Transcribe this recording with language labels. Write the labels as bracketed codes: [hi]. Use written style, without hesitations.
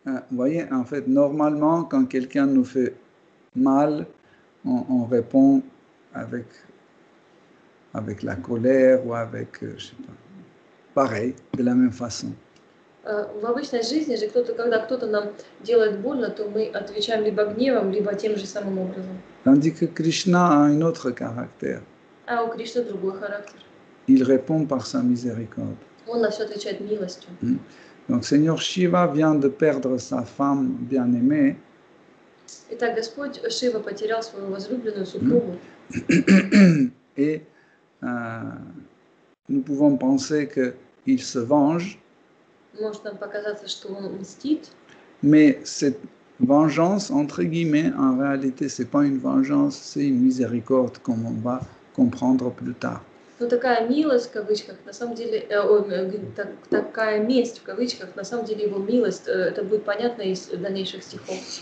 [fr] Voyez, en fait, normalement, quand quelqu'un nous fait mal, on répond avec la colère ou avec, je sais pas, pareil, de la même façon. [ru] В обычной жизни же когда кто-то нам делает больно, то мы отвечаем либо гневом, либо тем же самым образом. [fr] Tandis que Krishna a un autre caractère. [ru] А у Кришны другой характер. [fr] Il répond par sa miséricorde. [ru] Он на все отвечает милостью. [fr] Donc, Seigneur Shiva vient de perdre sa femme bien-aimée. [ru] Итак, Господь Шива потерял свою возлюбленную супругу. [fr] Et nous pouvons penser que il se venge. [ru] Может нам показаться, что он мстит. [fr] Mais cette vengeance, entre guillemets, en réalité, c'est pas une vengeance, c'est une miséricorde, comme on va comprendre plus tard. [ru] Но такая милость, в кавычках, на самом деле, такая месть, в кавычках, на самом деле его милость, это будет понятно из дальнейших стихов.